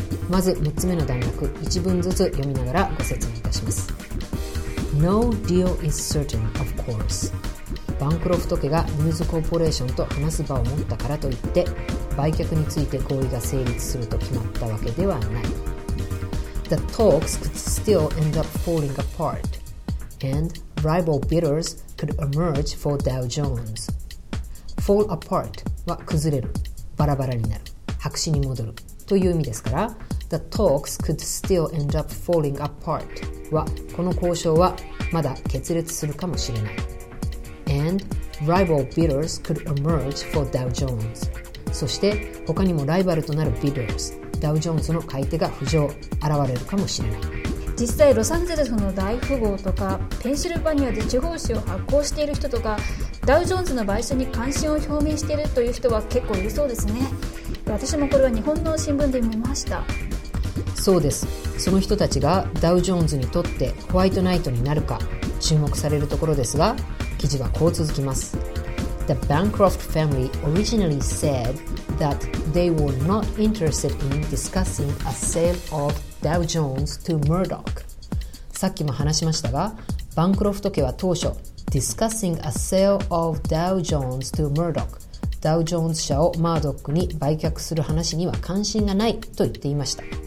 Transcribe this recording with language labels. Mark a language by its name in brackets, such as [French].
[Japanese] まず6つ目の段落、1文ずつ読みながらご説明いたします。 [English] No deal is certain, of course。 [Japanese] バンクロフト家がニューズコーポレーションと話す場を持ったからといって売却について合意が成立すると決まったわけではない。 [English] The talks could still end up falling apart, and rival bidders could emerge for Dow Jones. Fall apart [Japanese] は崩れる、バラバラになる、白紙に戻るという意味ですから、 [English] The talks could still end up falling apart [Japanese] はこの交渉はまだ決裂するかもしれない。 [English] And rival bidders could emerge for Dow Jones. [Japanese] そして他にもライバルとなる bidders、ダウジョーンズの買い手が浮上、現れるかもしれない。実際ロサンゼルスの大富豪とかペンシルバニアで地方紙を発行している人とか、ダウジョーンズの買収に関心を表明しているという人は結構いるそうですね。私もこれは日本の新聞で見ました。そうです、その人たちがダウジョーンズにとってホワイトナイトになるか注目されるところですが、記事はこう続きます。 [English] The Bancroft family originally saidthat they were not interested in discussing a sale of Dow Jones to Murdoch. [Japanese] さっきも話しましたが、バンクロフト家は当初 [English] discussing a sale of Dow Jones to Murdoch、 [Japanese] ダウジョーンズ社をマードックに売却する話には関心がないと言っていました。